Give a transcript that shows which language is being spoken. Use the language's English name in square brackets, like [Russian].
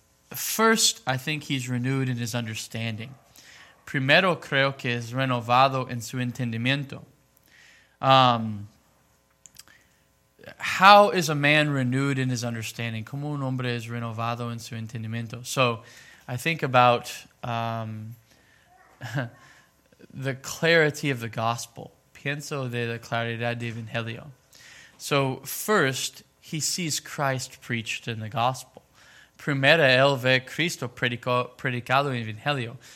[English] First, I think he's renewed in his understanding. [Spanish] Primero, creo que es renovado en su entendimiento. [English] How is a man renewed in his understanding? [Spanish] ¿Cómo un hombre es renovado en su entendimiento? [English] So, I think about the clarity of the gospel. [Spanish] Pienso de la claridad de Evangelio. [English] So first, he sees Christ preached in the gospel. [Spanish] Primera, él ve Cristo predicado en Evangelio.